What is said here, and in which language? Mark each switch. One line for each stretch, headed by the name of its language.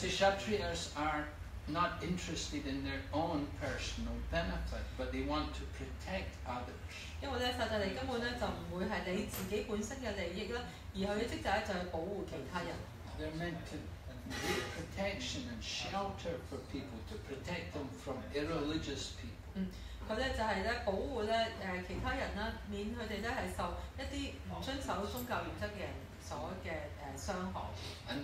English: the Kshatriyas are not interested in their own personal benefit, but they want to protect others.
Cantonese: 因為咧，薩帝利根本咧就唔會係理自己本身嘅利益啦，而佢嘅職責就係保護其他人。
English: They're meant to give protection and shelter for people to protect them from irreligious people.
Cantonese: 佢咧就係咧保護咧其他人啦，免佢哋咧係受一啲唔遵守宗教原則嘅人所嘅傷害。
English: And